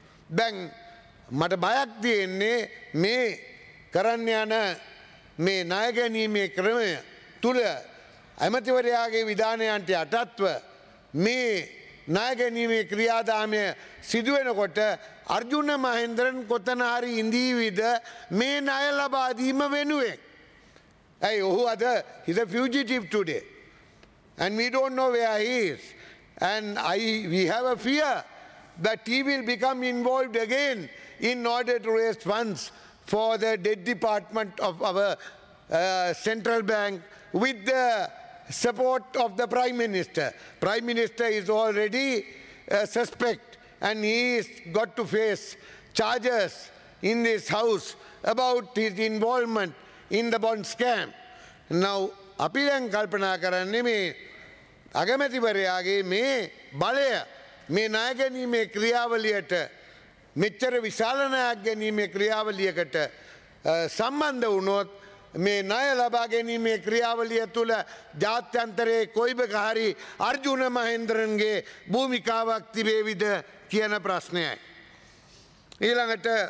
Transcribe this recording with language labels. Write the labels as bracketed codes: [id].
[si] දැන් මට බයක් තියෙන්නේ මේ කරන්න යන මේ ණය ගැනීමේ ක්‍රමය තුල ඇමතිවරයාගේ විධානයන්ට යටත්ව මේ ණය ගැනීමේ ක්‍රියාදාමය සිදුවෙනකොට අර්ජුන මහේන්ද්‍රන් කොතන හරි ඉඳීවිද මේ ණය ලබා දීම වෙනුවෙන්? ඇයි ඔහු අද [en] he's a fugitive today and we don't know where he is And we have a fear that he will become involved again in order to raise funds for the debt department of our central bank with the support of the Prime Minister. Prime Minister is already a suspect, and he has got to face charges in this house about his involvement in the bond scam. [si] Now, අපි දැන් කල්පනා කරන්නේ මේ අගමැතිවරයාගේ මේ බලය මේ ණය ගැනීමේ ක්‍රියාවලියට මෙච්චර විශාල ණයක් ගැනීමේ ක්‍රියාවලියකට සම්බන්ධ වුණොත් මේ ණය ලබා ගැනීමේ ක්‍රියාවලිය තුළ ජාත්‍යන්තරයේ කොයිබක හරි අර්ජුන මහේන්ද්‍රන්ගේ භූමිකාවක් තිබේවිද කියන ප්‍රශ්නයයි ඊළඟට